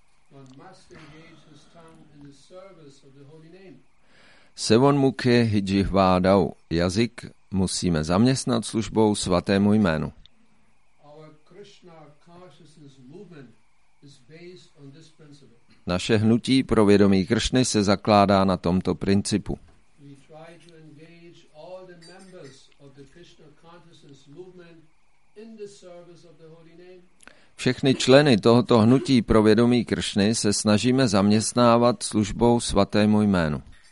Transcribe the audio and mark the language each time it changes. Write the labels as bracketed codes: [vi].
[en] One must engage his tongue in the service of the holy name. [sa] Sevon mukhe hijihvadau. [cs] Jazyk musíme zaměstnat službou svatému jménu. [en] Our Krishna consciousness movement is based on this principle. [cs] Naše hnutí pro vědomí Kršny se zakládá na tomto principu. [en] We try to engage all the members of the Krishna consciousness movement in the service of the holy name. [cs] Všechny členy tohoto hnutí pro vědomí Kršny se snažíme zaměstnávat službou svatému jménu.